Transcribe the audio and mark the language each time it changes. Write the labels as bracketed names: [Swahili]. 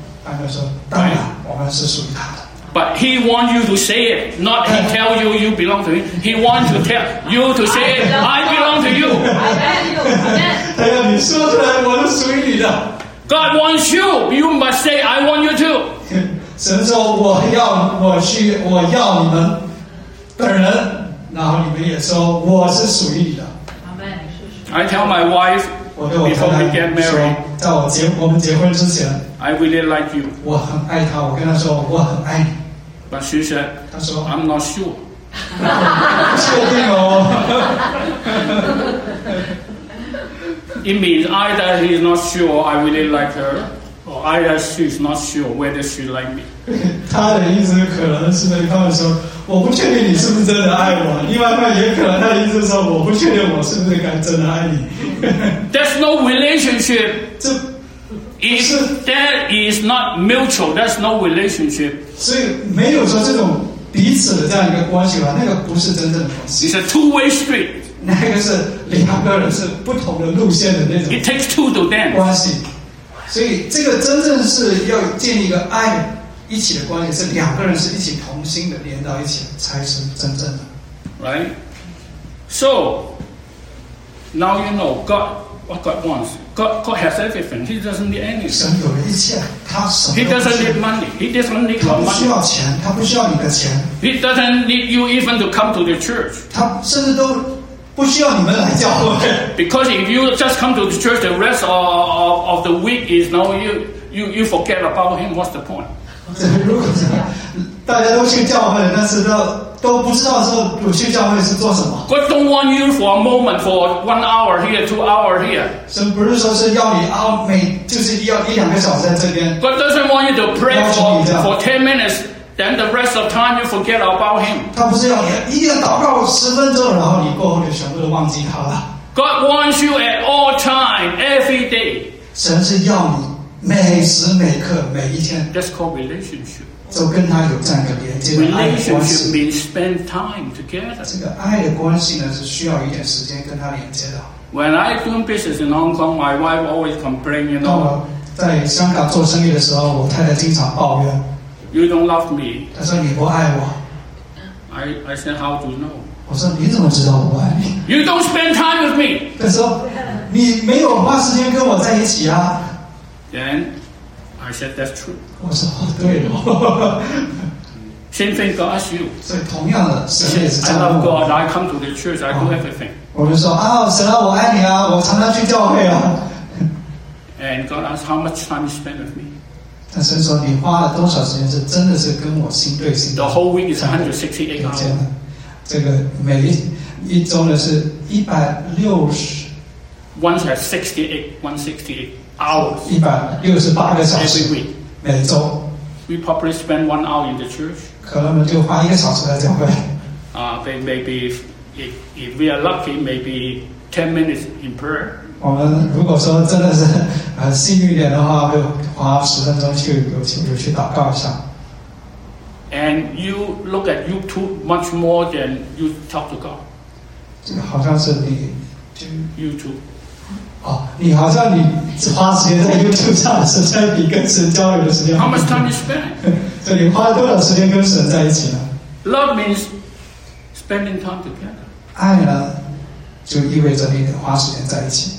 [Chinese] 他就说当然我们是属于他的。 [English] But he wants you to say it, not he tell you you belong to him. He wants to tell you to say it. I belong to you. I belong to you. [Chinese] 他说你说出来我是属于你的。 [English] God wants you. You must say I want you too. [Chinese] 神说我要你们本人，然后你们也说我是属于你的。 [English] I tell my wife before we get married. [Chinese] 在我们结婚之前 [English] ，I really like you. [Chinese] 我很爱她，我跟她说我很爱你。 [English] But she said, [Chinese] 她说 [English] I'm not sure. [Chinese] 确定哦。 [English] It means either he is not sure I really like her, or either she is not sure whether she like me. [Chinese] 她的意思可能是那他们说。我不确定你是不是真的爱我，另外他也可能他的意思说，我不确定我是不是敢真的爱你。 [English] There's no relationship. If that is not mutual, that's no relationship. [Chinese] 所以没有说这种彼此的这样一个关系吧，那个不是真正的关系。 [English] It's a two-way street. [Chinese] 那个是两个人是不同的路线的那种。 [English] It takes two to dance. [Chinese] 关系。所以这个真正是要建立一个爱。一起的关系是两个人是一起同心的连到一起才是真正的 [English] right so now you know God what God wants God has everything he doesn't need anything [Chinese] 神有了一切他什么 [English] he doesn't need money he doesn't need money [Chinese] 他不需要钱他不需要你的钱 [English] he doesn't need you even to come to the church [Chinese] 他甚至都不需要你们来教会 [English] because if you just come to the church the rest of the week is now you forget about him what's the point [Chinese] 如果大家都去教会，但是都不知道说有去教会是做什么。 [English] God don't want you for a moment, for 1 hour here, 2 hours here. [Chinese] 神不是说是要你啊，每就是要一两个小时在这边。 [English] God doesn't want you to pray for 10 minutes, then the rest of time you forget about him. [Chinese] 他不是要你一定要祷告10分钟，然后你过后就全部都忘记他了。 [English] God wants you at all time, every day. [Chinese] 神是要你。每时每刻每一天 [English] That's called relationship [Chinese] 就跟他有这样一个连接的爱的关系 [English] Relationship means spend time together [Chinese] 这个爱的关系呢是需要一点时间跟他连接的 [English] When I do business in Hong Kong My wife always complain you know [Chinese] 在香港做生意的时候我太太经常抱怨 [English] You don't love me [Chinese] 她说你不爱我 [English] I said how do you know [Chinese] 我说你怎么知道我不爱你 [English] You don't spend time with me [Chinese] 她说你没有花时间跟我在一起啊 [English] Then I said that's true. [Chinese] 我说对了。 [English] Same thing God asks you. [Chinese] 所以同样的，神也是这样。 [English] I love God. I come to the church. I do everything. [Chinese] 我们说啊，神啊，我爱你啊，我常常去教会啊。 [English] And God asks how much time you spend with me. [Chinese] 但神说你花了多少时间是真的是跟我心对心。 [English] The whole week is 168 hours. [Chinese] 这个每一周呢是160。 [English] 168。 Hours [Chinese] 168个小时 [English] every week [Chinese] 每周 [English] we probably spend 1 hour in the church [Chinese] 可能就花一个小时在教会 [English] maybe if we are lucky maybe 10 minutes in prayer [Chinese] 我们如果说真的是幸运一点的话会花10分钟去祷告一下 [English] and you look at YouTube much more than you talk to God [Chinese] 这个好像是你 [English] YouTube [Chinese] 你好像你花时间在 YouTube 上的时间比跟神交流的时间。 [English] How much time you spend？ [Chinese] 所以你花多少时间跟神在一起呢 [English] ？Love means spending time together。 [Chinese] 爱呢，就意味着你花时间在一起。